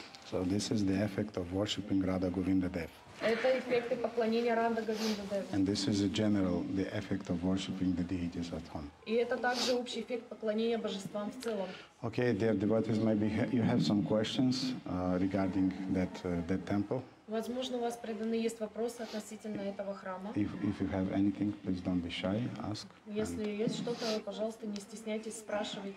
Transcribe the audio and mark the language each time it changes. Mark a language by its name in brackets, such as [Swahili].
[English] So this is the effect of worshiping Radha Govinda Dev. [Russian] Это эффекты поклонения Радха Говинда Дева. [English] And this is a general the effect of worshiping the deities at home. [Russian] И это также общий эффект поклонения божествам в целом. [English] Okay, dear devotees, maybe you have some questions regarding that that temple. [Russian] Возможно, у вас преданные есть вопросы относительно этого храма. [English] If you have anything, please don't be shy, ask. [Russian] Если есть что-то, пожалуйста, не стесняйтесь, спрашивайте.